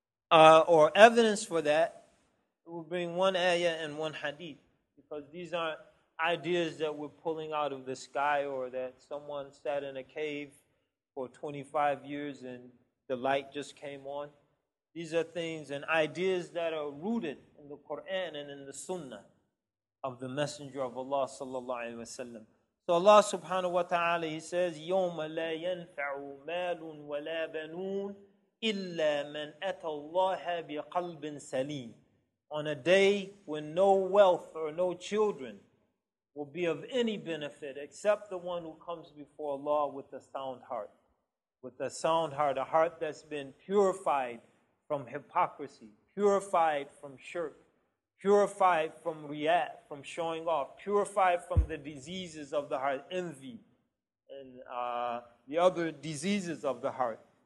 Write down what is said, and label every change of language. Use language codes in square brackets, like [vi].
[en] Or evidence for that, we'll bring one ayah and one hadith, because these aren't ideas that we're pulling out of the sky or that someone sat in a cave for 25 years and the light just came on. These are things and ideas that are rooted in the Quran and in the Sunnah of the Messenger of Allah sallallahu alaihi wasallam. So Allah subhanahu wa ta'ala, he says, [ar] يَوْمَ لَا يَنْفَعُ مَالٌ وَلَا بَنُونَ إِلَّا مَنْ أَتَى اللَّهَ بِقَلْبٍ سَلِيمٍ. [en] On a day when no wealth or no children will be of any benefit except the one who comes before Allah with a sound heart. With a sound heart, a heart that's been purified from hypocrisy, purified from shirk, purified from riya, from showing off, purified from the diseases of the heart, envy, and the other diseases of the heart.